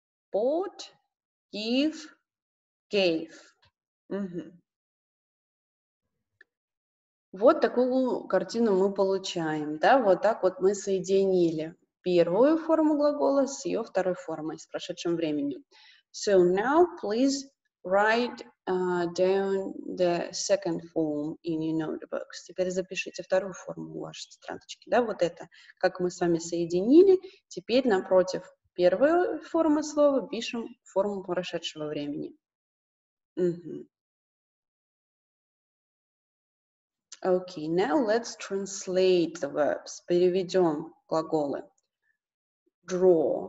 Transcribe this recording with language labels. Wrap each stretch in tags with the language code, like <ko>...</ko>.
<en>Bought, give, gave.</en> <ru>Вот такую картину мы получаем, да? Вот так вот мы соединили первую форму глагола с ее второй формой, с прошедшим временем.</ru> <en>So now please write down the second form in your notebooks.</en> <ru>Теперь запишите вторую форму в вашей тетрадочке, да? Вот это, как мы с вами соединили, теперь напротив первую форму слова пишем форму прошедшего времени.</ru> <en>Okay, now let's translate the verbs. Переведем глаголы. Draw.</en>